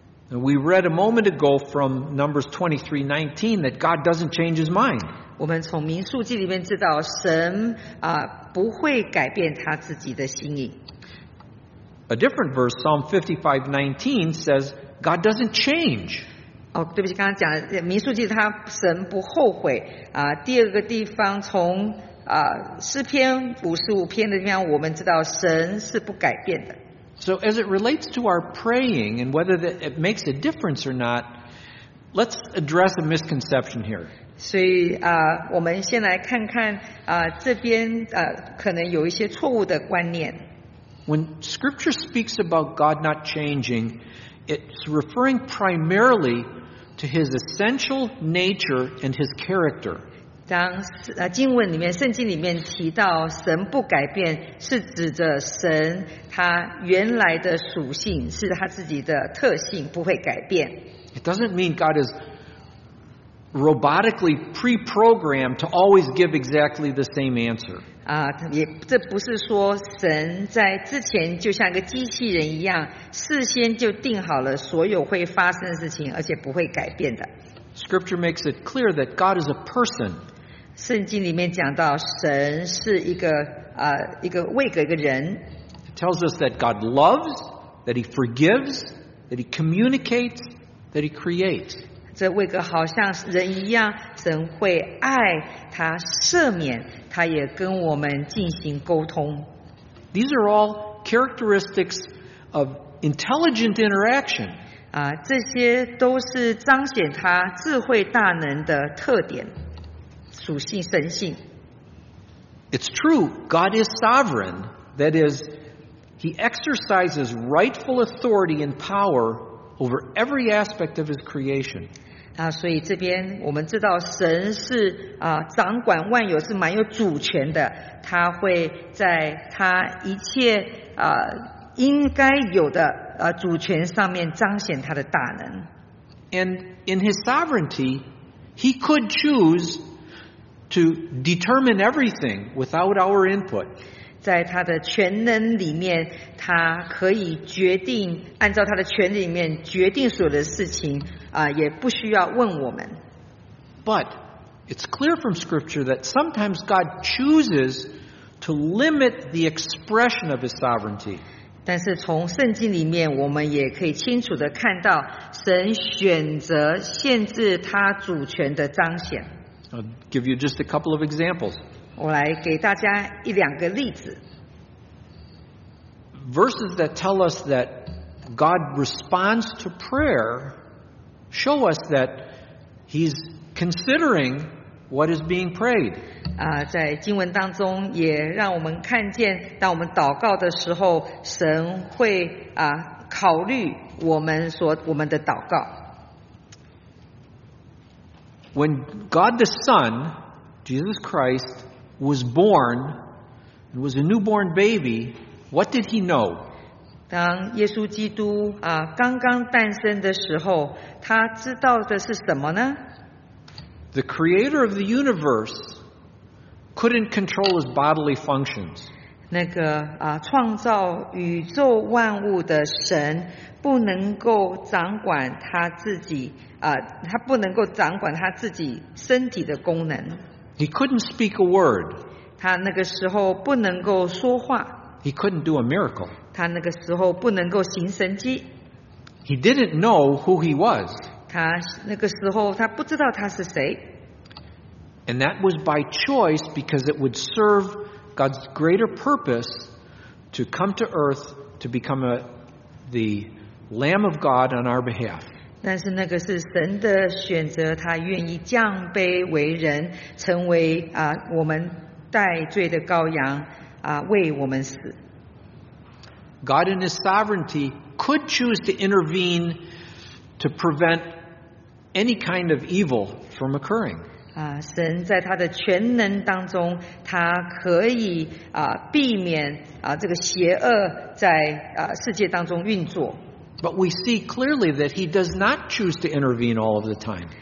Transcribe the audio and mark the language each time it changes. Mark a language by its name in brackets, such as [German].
[English] We read a moment ago from Numbers 23:19 that God doesn't change his mind. [Chinese] 我们从民数记里面知道神不会改变他自己的心意。 [English] A different verse, Psalm 55:19 says God doesn't change. [Chinese] 对不起，刚刚讲民数记他神不后悔。第二个地方从诗篇55篇的地方我们知道神是不改变的。 [English] So as it relates to our praying and whether it makes a difference or not, let's address a misconception here. [Chinese] 所以我们先来看看这边可能有一些错误的观念。 [English] When Scripture speaks about God not changing, it's referring primarily to His essential nature and His character. [Chinese] 当经文里面圣经里面提到神不改变是指着神他原来的属性是他自己的特性不会改变。 [English] It doesn't mean God is robotically pre-programmed to always give exactly the same answer. [Chinese] 这不是说神在之前就像个机器人一样事先就定好了所有会发生的事情而且不会改变的。 [English] Scripture makes it clear that God is a person. [Chinese] 圣经里面讲到神是一个一个人。 [English] It tells us that God loves, that He forgives, that He communicates, that He creates. [Chinese] 这位格好像人一样，神会爱，他赦免，他也跟我们进行沟通。 [English] These are all characteristics of intelligent interaction. [Chinese] 这些都是彰显他智慧大能的特点属性神性。 [English] It's true, God is sovereign, that is, He exercises rightful authority and power over every aspect of His creation. [Chinese] 所以这边我们知道神是掌管万有是蛮有主权的他会在他一切应该有的主权上面彰显他的大能。 [English] And in his sovereignty, he could choose to determine everything without our input. [Chinese] 在他的全能里面，他可以决定，按照他的权力里面决定所有的事情，也不需要问我们。 [English] But it's clear from Scripture that sometimes God chooses to limit the expression of his sovereignty. [Chinese] 但是从圣经里面我们也可以清楚地看到神选择限制他主权的彰显。 [English] I'll give you just a couple of examples. [Chinese] 我来给大家一两个例子。 [English] Verses that tell us that God responds to prayer show us that he's considering what is being prayed. [Chinese] 在经文当中也让我们看见当我们祷告的时候神会考虑我们的祷告。 [English] When God the Son, Jesus Christ, was born, and was a newborn baby, what did he know? [Chinese] 当耶稣基督刚刚诞生的时候他知道的是什么呢? [English] The creator of the universe,couldn't control his bodily functions. [Chinese] 创造宇宙万物的神不能够掌管他自己他不能够掌管他自己身体的功能。 [English] He couldn't speak a word. [Chinese] 他那个时候不能够说话。 [English] He couldn't do a miracle. [Chinese] 他那个时候不能够行神迹。 [English] He didn't know who he was. [Chinese] 他那个时候他不知道他是谁。 [English] And that was by choice because it would serve God's greater purpose to come to earth to become the Lamb of God on our behalf. [Chinese] 但是那个是神的选择，他愿意降卑为人，成为我们代罪的羔羊为我们死。 [English] God in His sovereignty could choose to intervene to prevent any kind of evil from occurring. [Chinese] 神在他的全能当中，他可以避免这个邪恶在世界当中运作。 [English] But we see clearly that he does not choose to intervene all of the time.